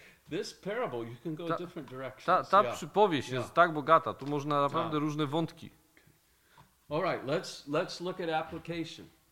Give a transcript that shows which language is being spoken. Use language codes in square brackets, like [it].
[en] This parable, you can go different directions. [pl] Ta przypowieść jest tak bogata. Tu można naprawdę różne wątki. [en] All right, let's look at application.